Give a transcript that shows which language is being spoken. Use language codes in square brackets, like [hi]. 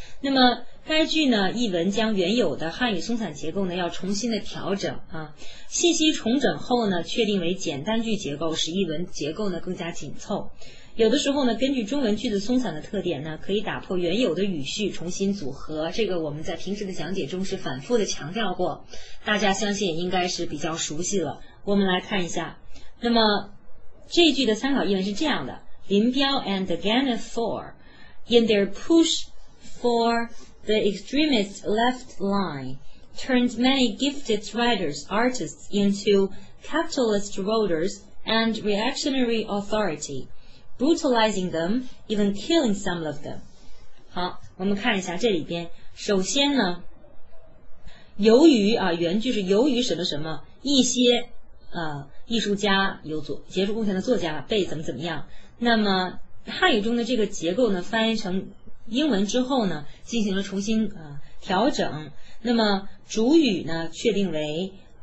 [zh] 那么该句呢译文将原有的汉语松散结构呢要重新的调整啊，信息重整后呢确定为简单句结构，使译文结构呢更加紧凑。有的时候呢根据中文句子松散的特点呢，可以打破原有的语序重新组合，这个我们在平时的讲解中是反复的强调过，大家相信也应该是比较熟悉了。我们来看一下，那么这一句的参考译文是这样的， [en] 林彪 and the Gang of Four in their push for the extremist left line turned many gifted writers, artists into capitalist voters and reactionary authority, brutalizing them, even killing some of them. [zh] 好，我们看一下这里边，首先呢由于原句是由于什么什么一些艺术家有杰出贡献的作家被怎么怎么样，那么汉语中的这个结构呢翻译成英文之后呢进行了重新调整，那么主语呢确定为